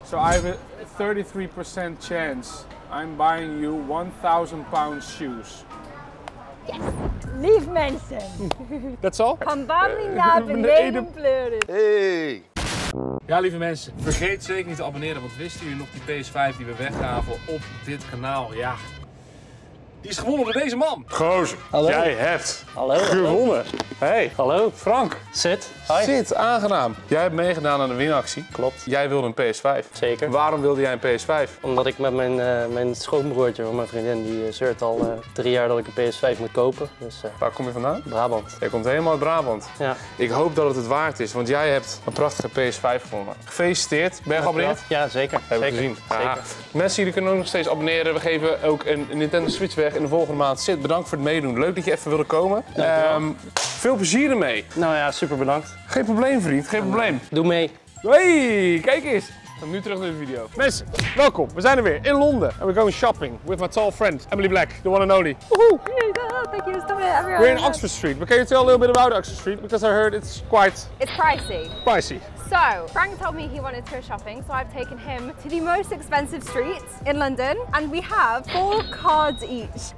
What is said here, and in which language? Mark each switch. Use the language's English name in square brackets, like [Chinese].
[English] So I have a 33% chance I'm buying you 1,000 pounds shoes. [Dutch] Yes. Lief mensen. [English] That's all? [Dutch] Van Bambi naar beneden pleuren. Hey. Ja, lieve mensen, vergeet zeker niet te abonneren, want wisten jullie nog die PS5 die we weggaven op dit kanaal? Ja, die is gewonnen door deze man. Gozer, hallo. Jij hebt gewonnen. Hey, hallo. Frank. Zit. Zit, aangenaam. Jij hebt meegedaan aan een winactie. Klopt. Jij wilde een PS5. Zeker. Waarom wilde jij een PS5? Omdat ik met mijn schoonbroertje, mijn vriendin, die zeurt al 3 jaar dat ik een PS5 moet kopen. Dus, waar kom je vandaan? Brabant. Jij komt helemaal uit Brabant. Ja. Ik hoop dat het waard is, want jij hebt een prachtige PS5 gewonnen. Gefeliciteerd. Ben je geabonneerd? Ja, zeker. Heb ik gezien. Mensen, jullie kunnen ook nog steeds abonneren. We geven ook een Nintendo Switch weg in de volgende maand. Zit, bedankt voor het meedoen. Leuk dat je even wilde komen. Veel plezier ermee. Nou ja, super bedankt. Geen probleem, vriend. Geen probleem. Doe mee. Hey, kijk eens. We gaan nu terug naar de video. Mensen, welkom. We zijn er weer in Londen. [English] And we're going shopping with my tall friend, Emily Black, the one and only. Woohoo! Thank you. Stop it, everyone. We're in Oxford Street. But can you tell a little bit about Oxford Street? Because I heard it's quite... It's pricey. Pricey. So, Frank told me he wanted to go shopping, so I've taken him to the most expensive street in London, and we have 4 cards each.